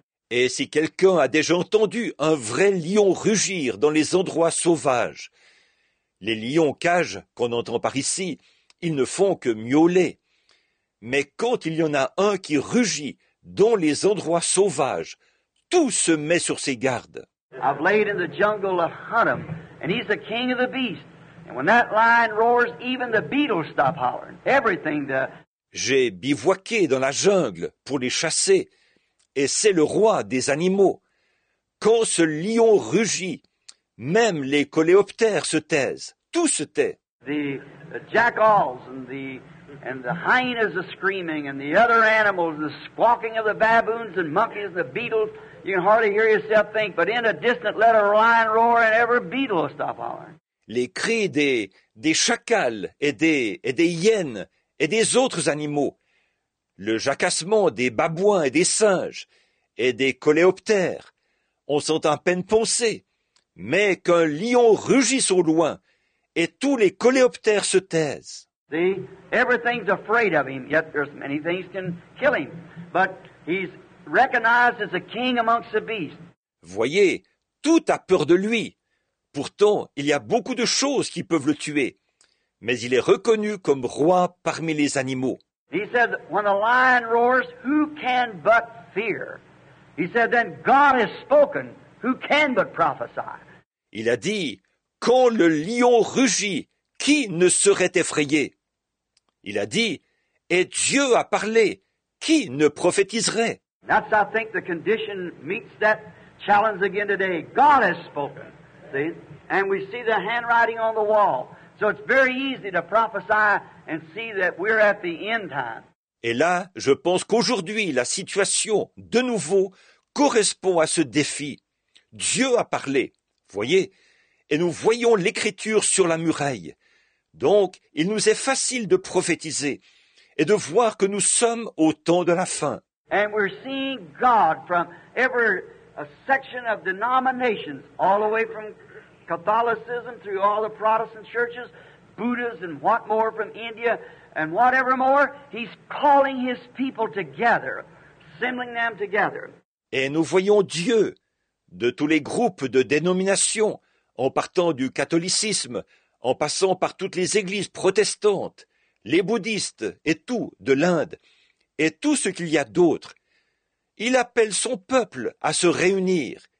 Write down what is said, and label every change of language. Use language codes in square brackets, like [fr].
[fr] Et Et si quelqu'un a déjà entendu un vrai lion rugir dans les endroits sauvages, les lions cages qu'on entend par ici, ils ne font que miauler. Mais quand il y en a un qui rugit dans les endroits sauvages, tout se met sur ses gardes. [en] I've laid in the jungle a hunter, and he's the king of the beast. And when that lion roars, even the beetles stop hollering. Everything the... [fr] J'ai bivouaqué dans la jungle pour les chasser, et c'est le roi des animaux. Quand ce lion rugit, même les coléoptères se taisent, tout se tait. [en] The jackals and the hyenas are screaming, and the other animals, the squawking of the baboons and monkeys, the beetles, you can hardly hear yourself think, but in a distant let a lion roar, and every beetle will stop hollering. [fr] Les cris des chacals et des hyènes et des autres animaux, le jacassement des babouins et des singes et des coléoptères, on s'entend à peine penser, mais qu'un lion rugisse au loin et tous les coléoptères se taisent. [en] See, everything's afraid of him, yet there's many things can kill him, but he's recognized as a king amongst the beasts. [fr] Voyez, tout a peur de lui. Pourtant, il y a beaucoup de choses qui peuvent le tuer, mais il est reconnu comme roi parmi les animaux. [en] He said, when the lion roars, who can but fear? He said, then God has spoken, who can but prophesy? [fr] Il a dit, quand le lion rugit, qui ne serait effrayé? Il a dit, et Dieu a parlé, qui ne prophétiserait? [en] That's, I think, the condition meets that challenge again today. God has spoken. And we see the handwriting on the wall. So it's very easy to prophesy and see that we're at the end time. [fr] Et là, je pense qu'aujourd'hui, la situation, de nouveau, correspond à ce défi. Dieu a parlé, voyez, et nous voyons l'écriture sur la muraille. Donc, il nous est facile de prophétiser et de voir que nous sommes au temps de la fin. [en] And we're seeing God from every... a section of denominations, all the way from Catholicism through all the Protestant churches, Buddhas and what more from India and whatever more, he's calling his people together, assembling them together. [fr] Et nous voyons Dieu de tous les groupes de dénominations, en partant du catholicisme, en passant par toutes les églises protestantes, les bouddhistes et tout de l'Inde, et tout ce qu'il y a d'autre. Il appelle son peuple à se réunir.